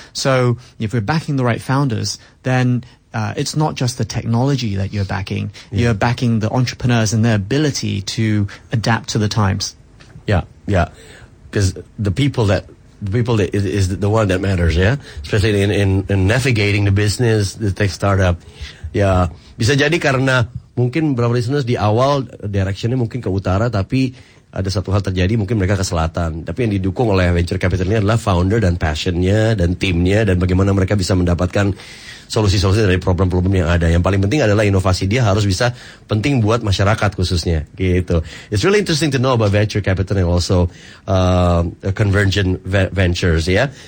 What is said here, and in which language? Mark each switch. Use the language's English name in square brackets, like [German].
[English] So if we're backing the right founders, then it's not just the technology that you're backing. Yeah. You're backing the entrepreneurs and their ability to adapt to the times. Yeah, yeah. Because the people that is the one that matters, yeah? Especially in navigating the business, the tech startup. Yeah. [Indonesian] Bisa jadi karena mungkin beberapa listeners di awal directionnya mungkin ke utara, tapi ada satu hal terjadi, mungkin mereka ke selatan. Tapi yang didukung oleh venture capital ini adalah founder dan passionnya dan timnya dan bagaimana mereka bisa mendapatkan solusi-solusi dari problem-problem yang ada. Yang paling penting adalah inovasi dia harus bisa penting buat masyarakat khususnya. Gitu. [English] It's really interesting to know about venture capital and also convergent ventures, ya. Yeah?